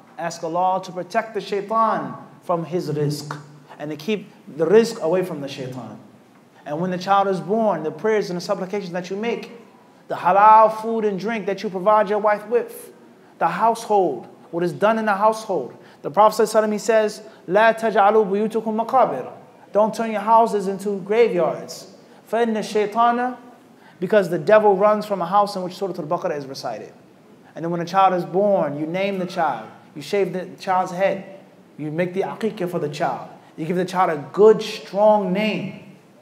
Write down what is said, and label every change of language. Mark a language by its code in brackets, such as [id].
[en] Ask Allah to protect the shaitan from his rizq and to keep the rizq away from the shaitan. And when the child is born, the prayers and the supplications that you make, the halal food and drink that you provide your wife with, the household, what is done in the household. The Prophet ﷺ, he says, [ar] لَا تَجْعَلُوا بُيُوتُكُمْ مَقَابِرَ. [en] Don't turn your houses into graveyards. [ar] فَإِنَّ الشَّيْطَانَ. [en] Because the devil runs from a house in which Surah Al-Baqarah is recited. And then when a child is born, you name the child, you shave the child's head, you make the aqiqah for the child, you give the child a good, strong name.